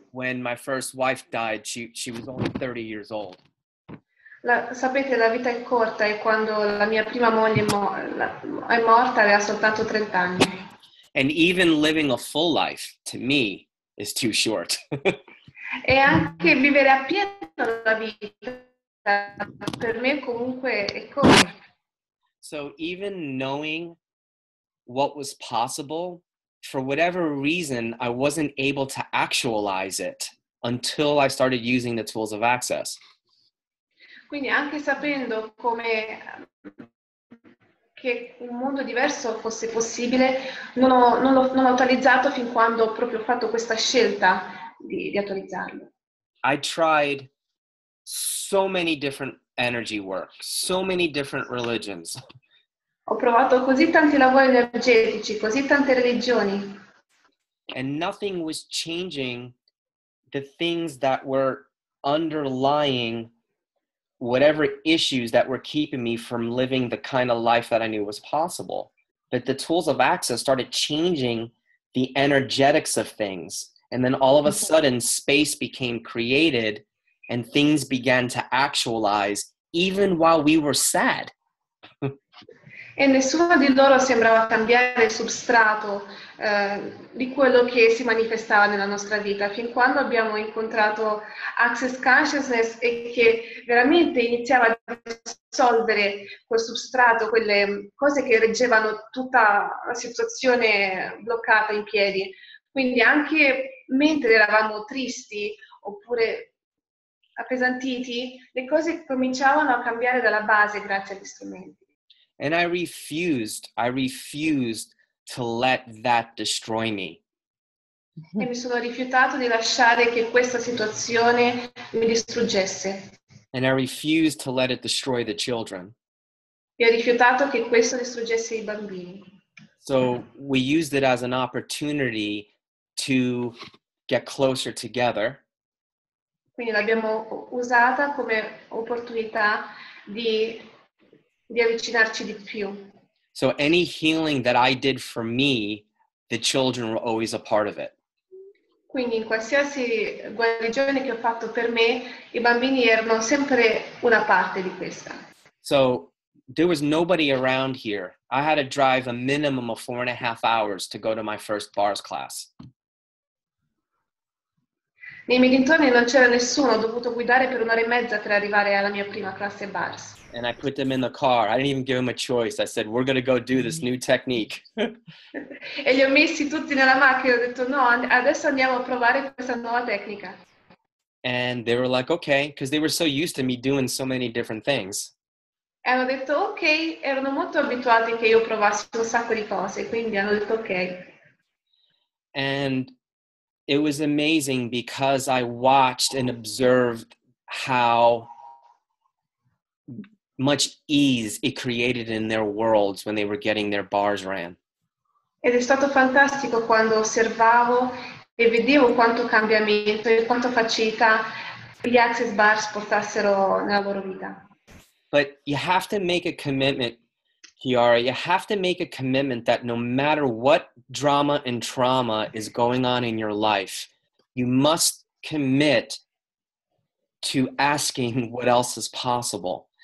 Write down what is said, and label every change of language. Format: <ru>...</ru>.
<en>When my first wife died, she was only 30 years old.</en> <it>Sapete, la vita è corta, e quando la mia prima moglie è morta, aveva soltanto 30 anni.</it> <en>And even living a full life, to me, is too short.</en> <it>E anche vivere appieno la vita, per me comunque è corta.</it> <en>So even knowing what was possible, for whatever reason, I wasn't able to actualize it until I started using the tools of Access.</en> <it>Quindi anche sapendo come che un mondo diverso fosse possibile, non ho attualizzato fin quando ho proprio fatto questa scelta di attualizzarlo.</it> <en>I tried so many different energy work, so many different religions.</en> <it>Ho provato così tanti lavori energetici, così tante religioni.</it> <en>And nothing was changing the things that were underlying whatever issues that were keeping me from living the kind of life that I knew was possible. But the tools of Access started changing the energetics of things. And then all of a sudden, space became created and things began to actualize even while we were sad.</en> <it>E nessuno di loro sembrava cambiare il substrato di quello che si manifestava nella nostra vita, fin quando abbiamo incontrato Access Consciousness e che veramente iniziava a dissolvere quel substrato, quelle cose che reggevano tutta la situazione bloccata in piedi. Quindi anche mentre eravamo tristi oppure appesantiti, le cose cominciavano a cambiare dalla base grazie agli strumenti.</it> <en>And I refused to let that destroy me.</en> <it>E mi sono rifiutato di lasciare che questa situazione mi distruggesse.</it> <en>And I refused to let it destroy the children.</en> <it>E ho rifiutato che questo distruggesse i bambini.</it> <en>So we used it as an opportunity to get closer together.</en> <it>Quindi l'abbiamo usata come opportunità di avvicinarci di più.</it> <en>So any healing that I did for me, the children were always a part of it.</en> <it>Quindi in qualsiasi guarigione che ho fatto per me, I bambini erano sempre una parte di questa.</it> <en>So there was nobody around here. I had to drive a minimum of 4.5 hours to go to my first bars class.</en> <it>Nei miei dintorni non c'era nessuno, ho dovuto guidare per 1.5 ore per arrivare alla mia prima classe bars.</it> <en>And I put them in the car. I didn't even give them a choice. I said, we're going to go do this new technique.</en> <it>E li ho messi tutti nella macchina. Ho detto, no, adesso andiamo a provare questa nuova tecnica.</it> <en>And they were like, okay, because they were so used to me doing so many different things.</en> <it>E hanno detto, okay, erano molto abituati che io provassi un sacco di cose, quindi hanno detto, okay.</it> <en>And it was amazing because I watched and observed how much ease it created in their worlds when they were getting their bars ran.</en> <it>Ed è stato fantastico quando osservavo e vedevo quanto cambiamento e quanto facilità gli access bars portassero nella loro vita.</it> <en>But you have to make a commitment, Chiara. You have to make a commitment that no matter what drama and trauma is going on in your life, you must commit to asking what else is possible.</en>